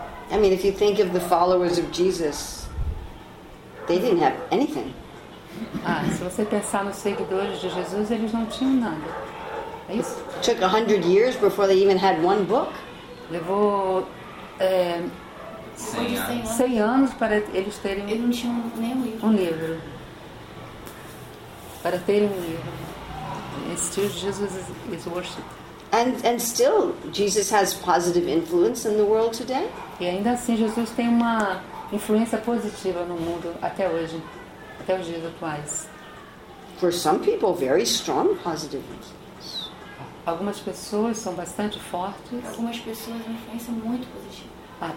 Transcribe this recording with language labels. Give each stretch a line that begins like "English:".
English: I mean, if you think of the followers of Jesus, they didn't have anything.
Portuguese: Ah, se você pensar nos seguidores de Jesus, eles não tinham nada. É isso?
English: It took 100 years before they even had one book.
Portuguese: Levou 100 anos para eles terem um livro. Para terem um livro.
English: Still Jesus is worshipped. And still Jesus has positive influence in the world today?
Portuguese: E ainda assim Jesus tem uma influência positiva no mundo até hoje, até os dias atuais.
English: For some people, very strong positive influence.
Portuguese: Algumas pessoas são bastante fortes. Para algumas pessoas é uma influência muito positiva.